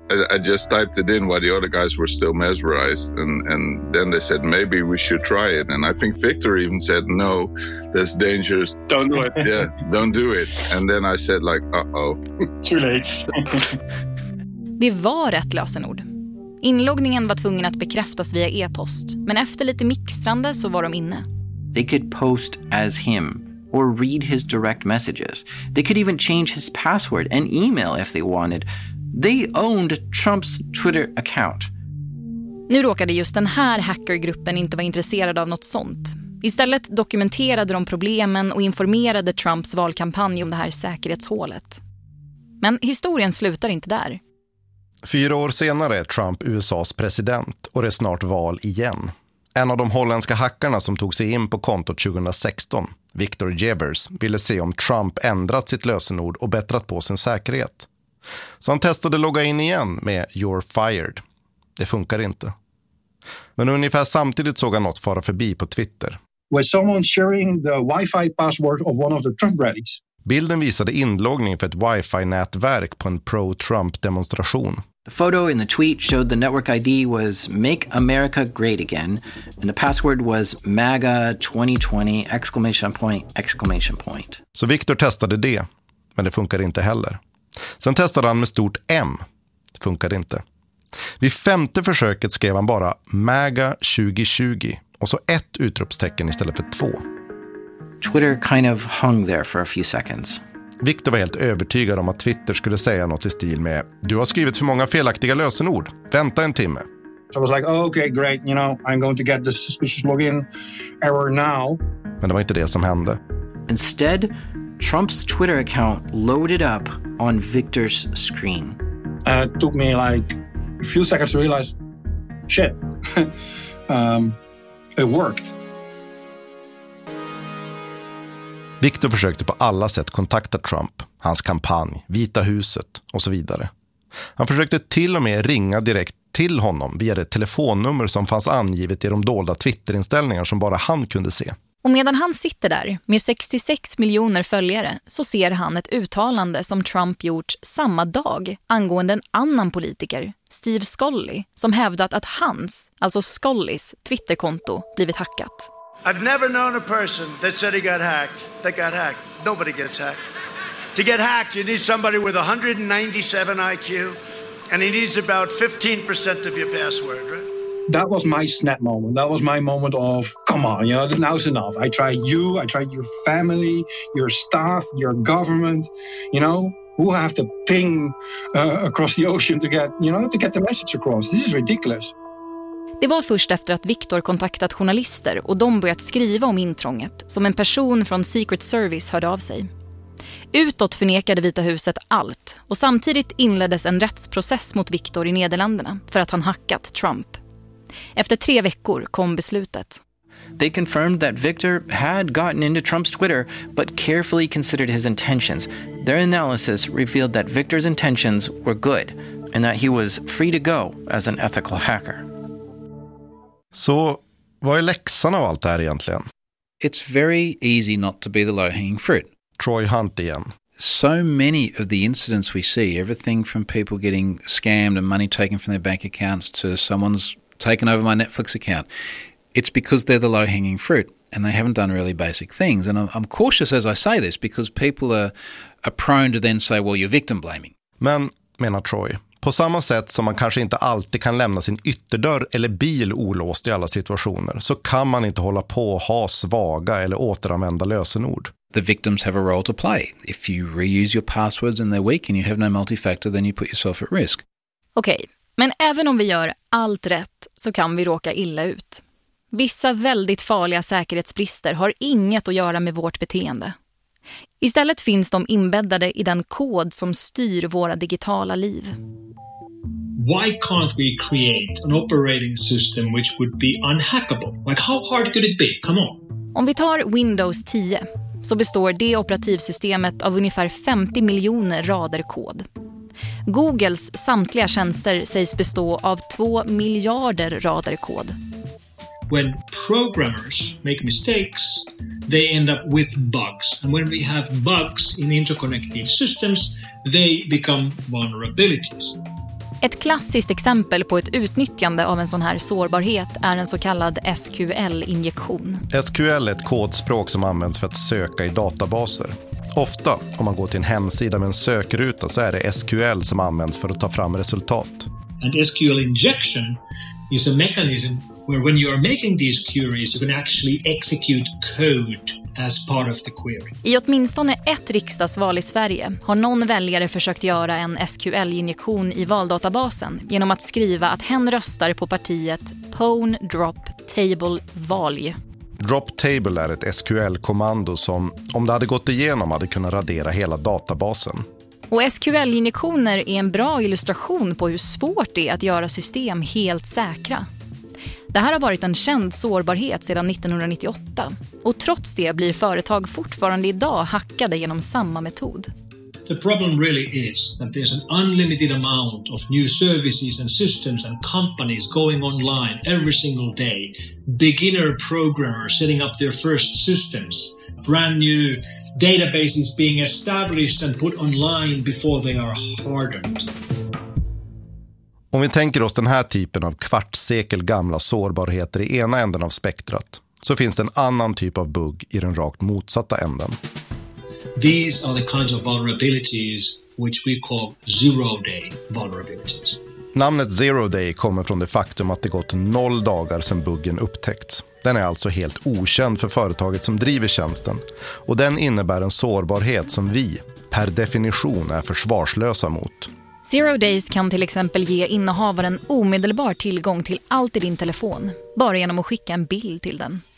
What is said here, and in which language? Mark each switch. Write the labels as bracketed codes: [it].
[en] I just typed it in while the other guys were still mesmerized, and then they said maybe we should try it, and I think Victor even said no, that's dangerous. Don't do it. Yeah, don't do it. And then I said like, uh-oh. Too late. [sv] Det var rätt lösenord. Inloggningen var tvungen att bekräftas via e-post, men efter lite mixtrande så var de inne. [en] They could post as him or read his direct messages. They could even change his password and email if they wanted. They owned Trump's Twitter account. [sv] Nu råkade just den här hackergruppen inte vara intresserad av något sånt. Istället dokumenterade de problemen och informerade Trumps valkampanj om det här säkerhetshålet. Men historien slutar inte där. 4 år senare är Trump USAs president och det är snart val igen. En av de holländska hackarna som tog sig in på kontot 2016, Victor Jevers, ville se om Trump ändrat sitt lösenord och bättrat på sin säkerhet. Så han testade logga in igen med [en] "You're fired". [sv] Det funkar inte. Men ungefär samtidigt såg han något fara förbi på Twitter. [en] Was someone sharing the wifi password of one of the Trump rallies? [sv] Bilden visade inloggning för ett wifi-nätverk på en pro-Trump-demonstration. [en] The photo in the tweet showed the network ID was "Make America Great Again" and the password was MAGA2020!!! [sv] Så Victor testade det, men det funkade inte heller. Sen testade han med stort M. Det funkade inte. Vid femte försöket skrev han bara MAGA2020 och så ett utropstecken istället för två. [en] Twitter kind of hung there for a few seconds. [sv] Victor var helt övertygad om att Twitter skulle säga något i stil med "Du har skrivit för många felaktiga lösenord. Vänta en timme." [en] So I was like, "Okay, great. You know, I'm going to get the suspicious login error now." [sv] Men det var inte det som hände. [en] Instead, Trump's Twitter account loaded up on Victor's screen. It took me like a few seconds to realize, shit. it worked. [sv] Victor försökte på alla sätt kontakta Trump, hans kampanj, Vita huset och så vidare. Han försökte till och med ringa direkt till honom via det telefonnummer som fanns angivet i de dolda Twitter-inställningar som bara han kunde se. Och medan han sitter där med 66 miljoner följare så ser han ett uttalande som Trump gjort samma dag angående en annan politiker, Steve Scully, som hävdat att hans, alltså Scullys, Twitterkonto blivit hackat. [en] I've never known a person that said he got hacked. That got hacked. Nobody gets hacked. To get hacked, you need somebody with 197 IQ, and he needs about 15% of your password, right? That was my snap moment. That was my moment of, come on, you know, now's enough. I tried you, I tried your family, your staff, your government, you know, who have to ping across the ocean to get, you know, to get the message across. This is ridiculous. [sv] Det var först efter att Victor kontaktat journalister och de börjat skriva om intrånget som en person från Secret Service hörde av sig. Utåt förnekade Vita huset allt och samtidigt inleddes en rättsprocess mot Victor i Nederländerna för att han hackat Trump. Efter 3 veckor kom beslutet. [en] They confirmed that Victor had gotten into Trump's Twitter but carefully considered his intentions. Their analysis revealed that Victor's intentions were good and that he was free to go as an ethical hacker. [sv] Så, vad är läxan av allt det här egentligen? [en] It's very easy not to be the low-hanging fruit. [sv] Troy Hunt igen. [en] so many of the incidents we see, everything from people getting scammed and money taken from their bank accounts to someone's taken over my Netflix account, it's because they're the low-hanging fruit and they haven't done really basic things. And I'm cautious as I say this because people are prone to then say, well, you're victim-blaming. [sv] Men, menar Troy, på samma sätt som man kanske inte alltid kan lämna sin ytterdörr eller bil olåst i alla situationer, så kan man inte hålla på och ha svaga eller återanvända lösenord. [en] The victims have a role to play. If you reuse your passwords and they're weak and you have no multifactor, then you put yourself at risk. [sv] Okej, men även om vi gör allt rätt så kan vi råka illa ut. Vissa väldigt farliga säkerhetsbrister har inget att göra med vårt beteende. Istället finns de inbäddade i den kod som styr våra digitala liv. [en] Why can't we create an operating system which would be unhackable? Like how hard could it be? Come on. [sv] Om vi tar Windows 10 så består det operativsystemet av ungefär 50 miljoner rader kod. Googles samtliga tjänster sägs bestå av 2 miljarder rader kod. [en] When programmers make mistakes, they end up with bugs. And when we have bugs in interconnected systems, they become vulnerabilities. [sv] Ett klassiskt exempel på ett utnyttjande av en sån här sårbarhet är en så kallad SQL-injektion. SQL är ett kodspråk som används för att söka i databaser. Ofta, om man går till en hemsida med en sökruta, så är det SQL som används för att ta fram resultat. [en] And SQL injection is a mechanism where when you are making these queries you can actually execute code as part of the query. [sv] I åtminstone ett riksdagsval i Sverige har någon väljare försökt göra en SQL-injektion i valdatabasen genom att skriva att hen röstar på partiet pwn drop table valj. Drop table är ett SQL-kommando som om det hade gått igenom hade kunnat radera hela databasen. Och SQL-injektioner är en bra illustration på hur svårt det är att göra system helt säkra. Det här har varit en känd sårbarhet sedan 1998. Och trots det blir företag fortfarande idag hackade genom samma metod. [en] The problem really is that there's an unlimited amount of new services and systems and companies going online every single day. Beginner programmers setting up their first systems. Brand new databases being established and put online before they are hardened. [sv] Om vi tänker oss den här typen av kvartssekel gamla sårbarheter i ena änden av spektrat, så finns det en annan typ av bugg i den rakt motsatta änden. [en] These are the kinds of vulnerabilities which we call zero day vulnerabilities. [sv] Namnet zero day kommer från det faktum att det gått 0 dagar sedan buggen upptäckts. Den är alltså helt okänd för företaget som driver tjänsten. Och den innebär en sårbarhet som vi, per definition, är försvarslösa mot. Zero days kan till exempel ge innehavaren omedelbar tillgång till allt i din telefon, bara genom att skicka en bild till den.